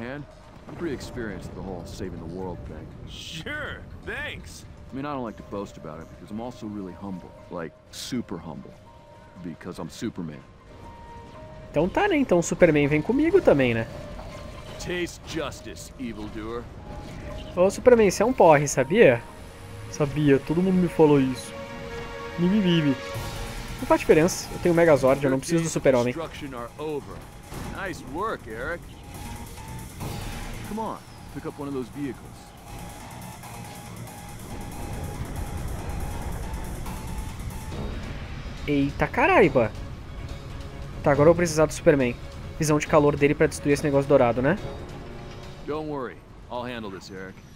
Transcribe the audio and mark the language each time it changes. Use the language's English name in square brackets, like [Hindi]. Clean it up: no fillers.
[English] I'm pretty experienced with the whole saving the world thing. Sure, thanks. I mean, I don't like to boast about it because I'm also really humble, like super humble, because I'm Superman. [Portuguese] Então tá, né? Então Superman vem comigo também, né? [English] Taste justice, evildoer. [Portuguese] Ô, Superman, você é um porre, sabia? Sabia, todo mundo me falou isso. Mimimi. Não faz diferença, eu tenho o Megazord, eu não preciso do Super-Homem. [English] Nice work, Eric. Come on, pick up one of those vehicles. [Portuguese] Eita caraiba! Tá, agora eu vou precisar do Superman. Visão de calor dele pra destruir esse negócio dourado, né? [English] Don't worry, I'll handle this, Eric.